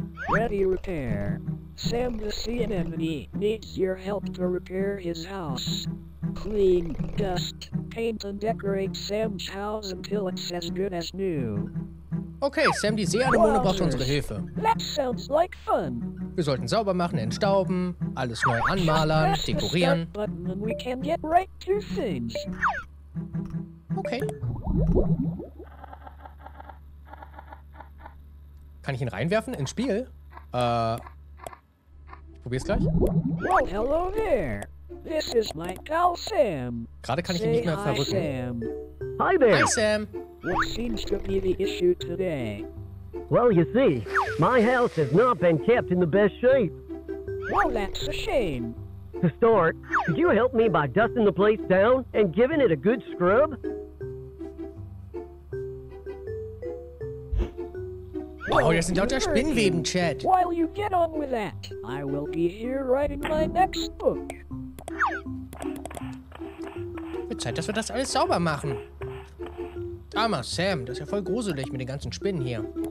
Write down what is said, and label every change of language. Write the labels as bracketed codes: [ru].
[en] Ready repair. Sam the sea anemone needs your help to repair his house. Clean, dust, paint and decorate Sam's house until it's as good as new. [de] Okay, Sam die Seeanemone braucht unsere Hilfe. [en] That sounds like fun. [de] Wir sollten sauber machen, entstauben, alles neu anmalern, dekorieren. [en] Just press the start button and we can get right to things. Okay. [de] Kann ich ihn reinwerfen ins Spiel? Probier's gleich. [en] Well, hello there. This is my pal Sam. [de] Gerade kann ich ihn nicht mehr verrücken. [en] Sam. Hi there. Hi Sam. What seems to be the issue today? Well, you see, my house has not been kept in the best shape. Well, that's a shame. To start, could you help me by dusting the place down and giving it a good scrub? [de] Oh, jetzt sind lauter Spinnweben, Chat. [en] While you get on with that, I will be here writing my next book. [de] Wird Zeit, dass wir das alles sauber machen. Armer Sam, das ist ja voll gruselig mit den ganzen Spinnen hier.